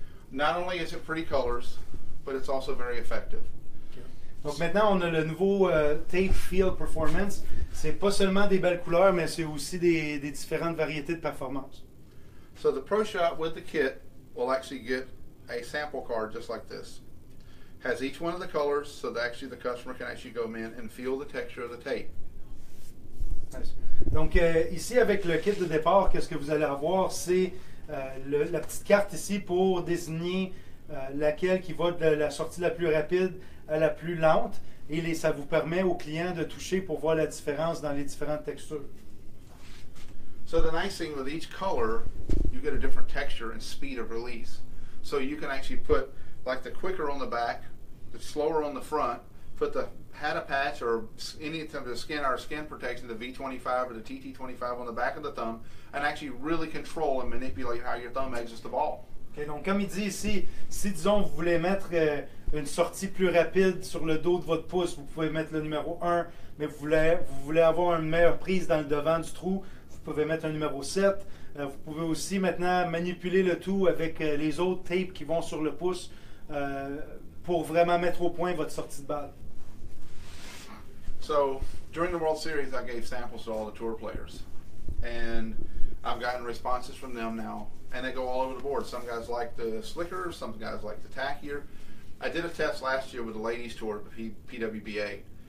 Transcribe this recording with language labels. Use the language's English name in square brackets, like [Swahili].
[English] Not only is it pretty colors, but it's also very effective. [French] Okay. Donc maintenant, on a le nouveau Tape Feel Performance. C'est pas seulement des belles couleurs, mais c'est aussi des différentes variétés de performance. [English] So the Pro Shop with the kit will actually get a sample card just like this. Has each one of the colors, so that actually the customer can actually go in and feel the texture of the tape. Nice. [French] Donc ici avec le kit de départ, qu'est-ce que vous allez avoir, c'est la petite carte ici pour désigner laquelle qui va de la sortie la plus rapide à la plus lente, et ça vous permet au client de toucher pour voir la différence dans les différentes textures. [English] So the nice thing with each color, you get a different texture and speed of release. So you can actually put like the quicker on the back, the slower on the front, put the had a patch or any type of skin or skin protection, the V25 or the TT25 on the back of the thumb, and actually really control and manipulate how your thumb edges the ball. [French] Okay, donc comme il dit ici, si disons vous voulez mettre une sortie plus rapide sur le dos de votre pouce, vous pouvez mettre le numéro 1, mais vous voulez avoir une meilleure prise dans le devant du trou, vous pouvez mettre un numéro 7. Vous pouvez aussi maintenant manipuler le tout avec les autres tapes qui vont sur le pouce pour vraiment mettre au point votre sortie de balle. [English] So, during the World Series, I gave samples to all the tour players. And I've gotten responses from them now. And they go all over the board. Some guys like the slicker, some guys like the tackier. I did a test last year with the ladies tour, the PWBA.